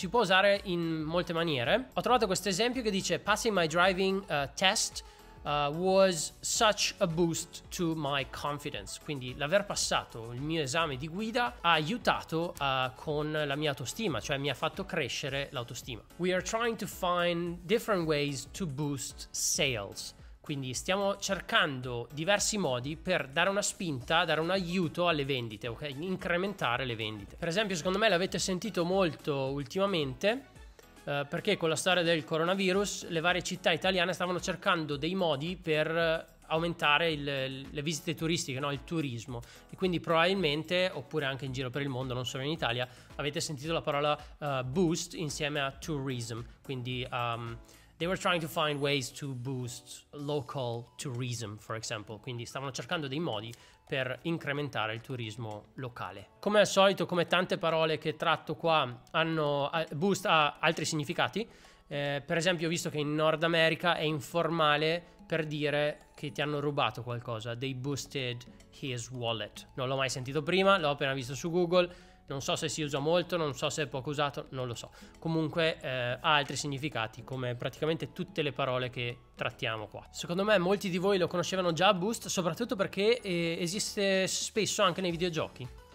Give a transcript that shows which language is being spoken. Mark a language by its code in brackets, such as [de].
[it] Si può usare in molte maniere. Ho trovato questo esempio che dice: [en] passing my driving test was such a boost to my confidence. [it] Quindi l'aver passato il mio esame di guida ha aiutato con la mia autostima, cioè mi ha fatto crescere l'autostima. [en] We are trying to find different ways to boost sales. [it] Quindi stiamo cercando diversi modi per dare una spinta, dare un aiuto alle vendite, ok? Incrementare le vendite. Per esempio, secondo me l'avete sentito molto ultimamente, perché con la storia del coronavirus le varie città italiane stavano cercando dei modi per aumentare le visite turistiche, no? Il turismo. E quindi probabilmente, oppure anche in giro per il mondo, non solo in Italia, avete sentito la parola boost insieme a tourism, quindi... [en] They were trying to find ways to boost local tourism, for example. [it] Quindi stavano cercando dei modi per incrementare il turismo locale. Come al solito, come tante parole che tratto qua, hanno boost ha altri significati. Per esempio, ho visto che in Nord America è informale per dire che ti hanno rubato qualcosa. [en] They boosted his wallet. [it] Non l'ho mai sentito prima, l'ho appena visto su Google. Non so se si usa molto, non so se è poco usato, non lo so. Comunque ha altri significati, come praticamente tutte le parole che trattiamo qua. Secondo me molti di voi lo conoscevano già boost, soprattutto perché esiste spesso anche nei videogiochi.